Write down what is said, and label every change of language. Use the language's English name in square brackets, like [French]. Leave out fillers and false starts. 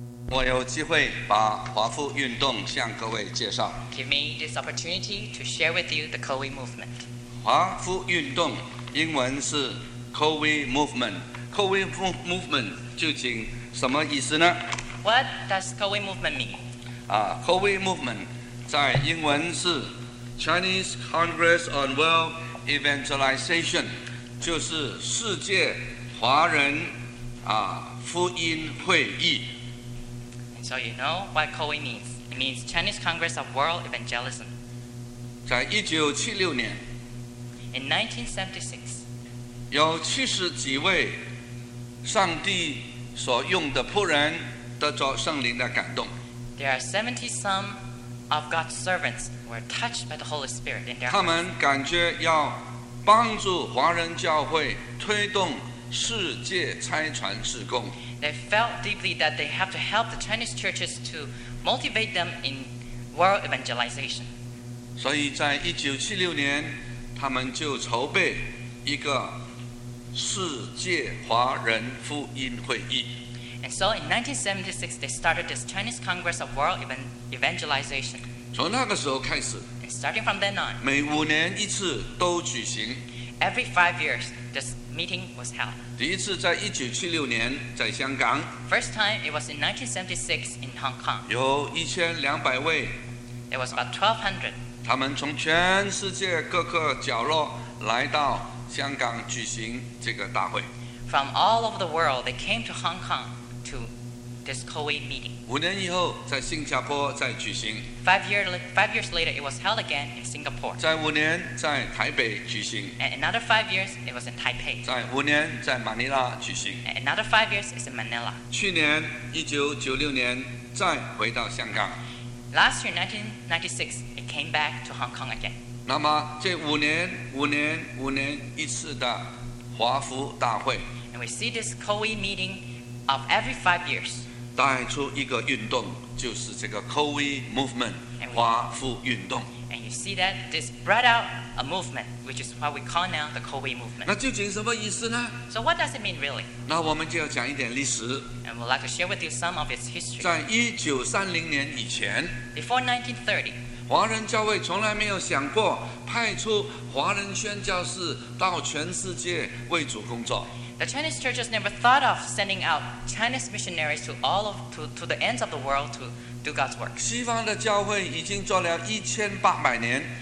[Chinese] 我有机会把华富运动向各位介绍。 [English] Give me this opportunity to share with you the CoWe movement. [Chinese] 华富运动英文是 CoWe movement. CoWe movement 究竟什么意思呢？ [English] What does CoWe movement mean? [Chinese] CoWe movement 在英文是 Chinese Congress on World Evangelization， 就是世界华人福音会议。 [English] So you know what CoWe means. It means Chinese Congress of World Evangelism. [Chinese] 在1976年 [English] In 1976, [Chinese] 有七十几位上帝所用的仆人得着圣灵的感动。 [English] There are 70 some of God's servants who were touched by the Holy Spirit in their [Chinese] hearts. 他们感觉要帮助华人教会推动世界拆船事工。 [English] They felt deeply that they have to help the Chinese churches to motivate them in world evangelization. [Chinese] 所以在1976年，他们就筹备一个世界华人福音会议。 [English] And so in 1976, they started this Chinese Congress of World Evangelization. [Chinese] 从那个时候开始 [English] And starting from then on, [Chinese] 每五年一次都举行。 [English] Every 5 years, this meeting was held. [Chinese] 第一次在1976年在香港。 [English] First time it was in 1976 in Hong Kong. [Chinese] 有1200位。 [English] It was about 1200. [Chinese] 他们从全世界各个角落来到香港举行这个大会。 [English] From all over the world, they came to Hong Kong to this CoWe meeting. [Chinese] 五年以后在新加坡再举行。 [English] Five years later, it was held again in Singapore. [Chinese] 在五年在台北举行。 [English] And another 5 years, it was in Taipei. [Chinese] 在五年在马尼拉举行。 [English] And another 5 years, it's in Manila. [Chinese] 去年1996年再回到香港。 [English] Last year, 1996, it came back to Hong Kong again. [Chinese] 那么这五年一次的华福大会。 [English] And we see this CoWe meeting of every 5 years. [Chinese] 带出一个运动，就是这个 CoWe movement 华富运动。 [English] And you see that this brought out a movement, which is what we call now the CoWe movement. [Chinese] 那究竟什么意思呢？ [English] So what does it mean really? [Chinese] 那我们就要讲一点历史。 [English] And we'd like to share with you some of its history. [Chinese] 在1930年以前 [English] ，Before 1930, [Chinese] 华人教会从来没有想过派出华人宣教士到全世界为主工作。 [English] The Chinese churches never thought of sending out Chinese missionaries to all of to the ends of the world to do God's work. [Chinese] 西方的教会已经做了1800年。